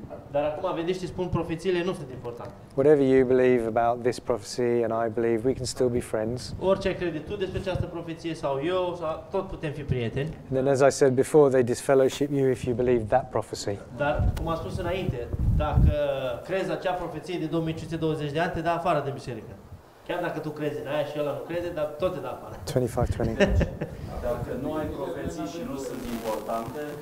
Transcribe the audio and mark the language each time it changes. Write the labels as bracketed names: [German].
[Romanian] Dar acum adventiștii spun profețiile nu sunt importante. [English] Whatever you believe about this prophecy and I believe, we can still be friends. [Romanian] Orice crede tu despre această profeție sau eu, tot putem fi prieteni. [English] And then, as I said before, they disfellowship you if you believe that prophecy. [Romanian] Dar cum am spus înainte, dacă crezi acea profeție de 2520 de ani, te dă afară de biserică. Chiar dacă tu crezi în aia și ăla nu crede, dar tot te dă afară. 25-20. Dacă nu ai profeții și nu sunt importante,